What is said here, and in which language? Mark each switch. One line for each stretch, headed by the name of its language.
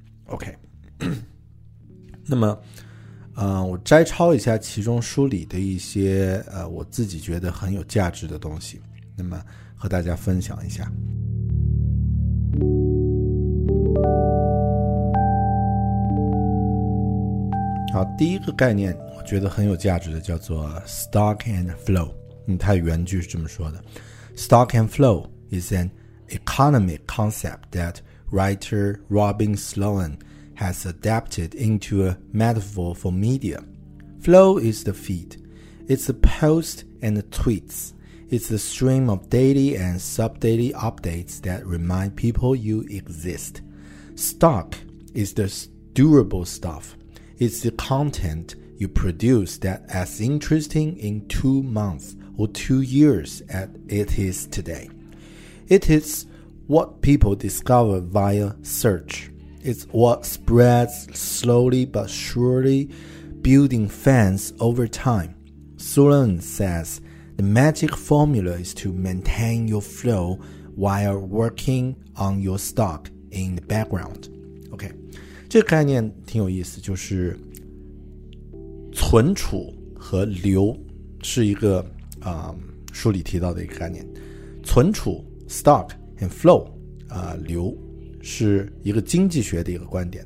Chinese: OK 那么我摘抄一下其中书里的一些我自己觉得很有价值的东西，那么和大家分享一下。好，第一个概念我觉得很有价值的叫做 stock and flow。它原句是这么说的，
English: stock and flow is an economic concept that writer Robin SloanHas adapted into a metaphor for media. Flow is the feed. It's the post and the tweets. It's the stream of daily and sub-daily updates that remind people you exist. Stock is the durable stuff. It's the content you produce that's as interesting in 2 months or 2 years as it is today. It is what people discover via search. It's what spreads slowly but surely, building fans over time. Sloan says, the magic formula is to maintain your flow while working on your stock in the background.
Chinese: OK, 这个概念挺有意思，就是存储和流是一个书里提到的一个概念。存储 stock and flow 流是一个经济学的一个观点。